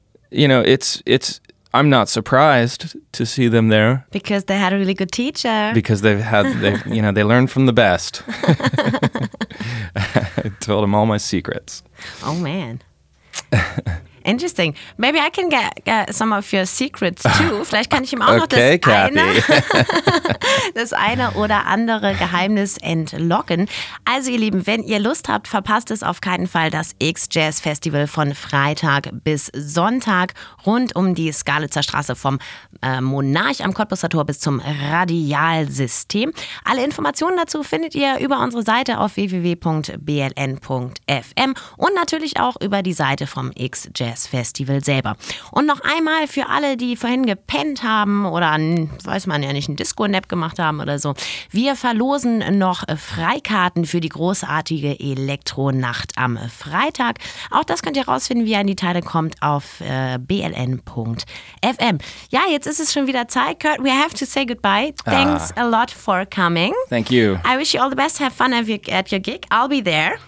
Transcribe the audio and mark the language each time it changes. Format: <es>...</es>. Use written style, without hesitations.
<en>It's I'm not surprised to see them there. Because they had a really good teacher. Because they learned from the best. I told them all my secrets. Oh man. Interesting. Maybe I can get some of your secrets too.</en> <de>Vielleicht kann ich ihm auch das eine oder andere Geheimnis entlocken. Also ihr Lieben, wenn ihr Lust habt, verpasst es auf keinen Fall, das X-Jazz Festival von Freitag bis Sonntag rund um die Skalitzer Straße vom Monarch am Cottbusser Tor bis zum Radialsystem. Alle Informationen dazu findet ihr über unsere Seite auf www.bln.fm und natürlich auch über die Seite vom X-Jazz-Festival selber. Und noch einmal für alle, die vorhin gepennt haben oder einen Disco-Nap gemacht haben oder so, wir verlosen noch Freikarten für die großartige Elektronacht am Freitag. Auch das könnt ihr rausfinden, wie ihr in die Teile kommt, auf bln.fm. Ja, jetzt ist es schon wieder Zeit, Kurt.</de> <en>We have to say goodbye. Thanks a lot for coming. Thank you. I wish you all the best. Have fun at your gig. I'll be there.</en>